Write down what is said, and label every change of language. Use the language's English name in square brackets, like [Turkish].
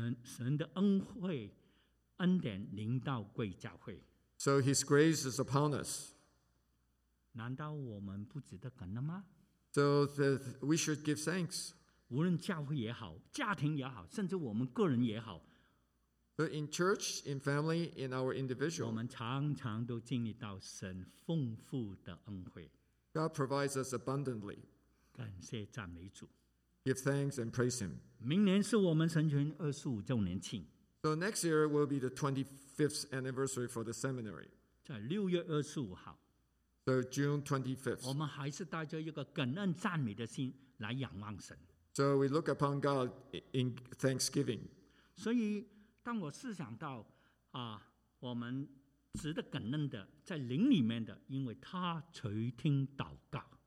[Chinese] 神的恩惠恩典临到贵教会。 [English] So His grace is upon us. [Chinese] 难道我们不值得感恩吗？ [English] So that we should give thanks. [Chinese] 无论教会也好，家庭也好，甚至我们个人也好。 [English] But in church, in family, in our individual, [Chinese] 我们常常都经历到神丰富的恩惠。 [English] God provides us abundantly. [Chinese] 感谢赞美主。 [English] Give thanks and praise Him. [Chinese] 明年是我们神权二十五周年庆。 [English] So next year will be the 25th anniversary for the seminary. [Chinese] 在六月二十五号。 [English] So June 25th. [Chinese] 我们还是带着一个感恩赞美的心来仰望神。 [English] So we look upon God in thanksgiving. [Chinese] 所以当我思想到我们值得感恩的在灵里面的，因为他垂听祷告。